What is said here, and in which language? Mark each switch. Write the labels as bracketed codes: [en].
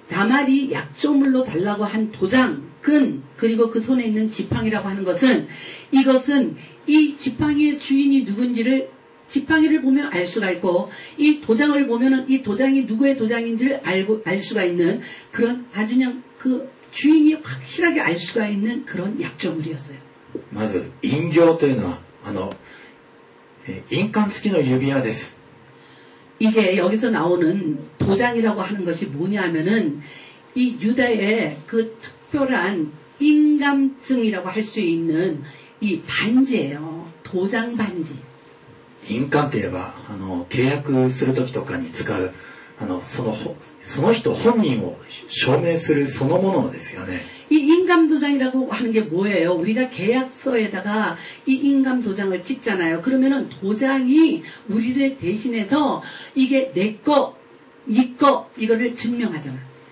[ko] 이다말이약조물로달라고한도장끈그리고그손에있는지팡이라고하는것은이것은이지팡이의주인이누군지를지팡이를보면알수가있고이도장을보면은이도장이누구의도장인지를알수가있는그런아주그냥그주인이확실하게알수가있는그런약점을이었어요 [ja] まず인교というのは印鑑付きの指輪です [ko] 이게여기서나오는도장이라고하는것이뭐냐하면은이유다의그특별한인감증이라고할수있는이반지예요도장반지 [ja] 인감といえば契約するときとかに使うその人本人を証明するそのものですよね [ko] 이인감도장이라고하는게뭐예요우리가계약서에다가이인감도장을찍잖아요그러면은도장이우리를대신해서이게내거니거이거를증명하잖아